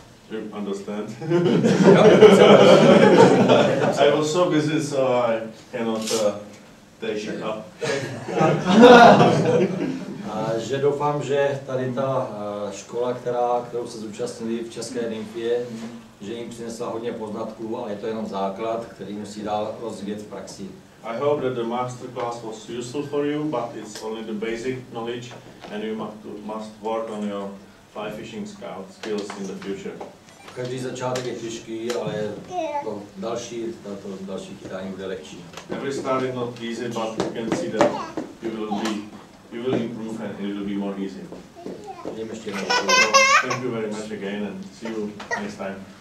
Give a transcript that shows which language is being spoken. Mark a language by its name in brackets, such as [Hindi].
[English] You understand? I was so busy, so I cannot take it up. [Czech] Že doufám, že tady ta škola, kterou se zúčastnili v České Nymfě, že jim přinesla hodně poznatků, ale je to jenom základ, který musí dál rozvíjet v praxi. [English] I hope that the masterclass was useful for you, but it's only the basic knowledge, and you must work on your fly fishing scout skills in the future. [Czech] Každý začátek je těžký, ale to další, další chytání bude lehčí. [English] Every start is not easy, but you can see that you will improve and it will be more easy. Thank you very much again, and see you next time.